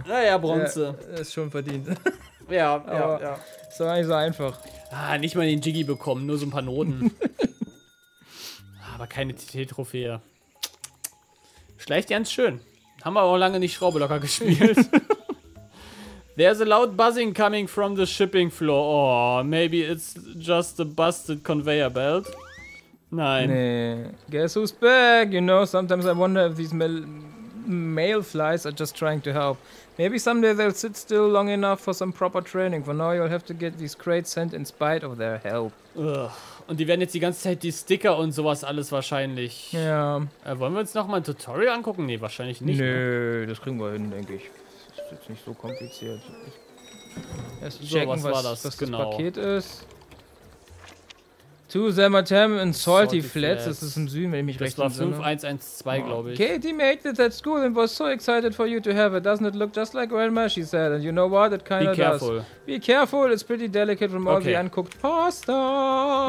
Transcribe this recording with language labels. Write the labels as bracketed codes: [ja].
[de] Naja, Bronze. Ja, ist schon verdient. Ja, aber ja, ja. Ist doch nicht so einfach. Ah, nicht mal den Jiggy bekommen, nur so ein paar Noten. Aber keine TT-Trophäe. Schleicht ganz schön. Haben wir auch lange nicht Schraube locker gespielt. [en] There's a loud buzzing coming from the shipping floor. Oh, maybe it's just a busted conveyor belt. [de] Nein. [en] Nee. Guess who's back? You know, sometimes I wonder if these mail flies are just trying to help. Maybe someday they'll sit still long enough for some proper training. For now you'll have to get these crates sent in spite of their help. Ugh. [de] Und die werden jetzt die ganze Zeit die Sticker und sowas alles wahrscheinlich. Ja. Yeah. Wollen wir uns nochmal ein Tutorial angucken? Nee, wahrscheinlich nicht. Nee, das kriegen wir hin, denke ich. Jetzt nicht so kompliziert. Erst checken, was genau das Paket ist. To Zermattam in Salty Flats. Das ist im Süden, wenn ich mich recht erinnere. Das war 5112, glaube ich. [en] Katie made it at school and was so excited for you to have it. Doesn't it look just like grandma, she said. And you know what, it kind of does. Be careful. Be careful, it's pretty delicate from all the uncooked pasta.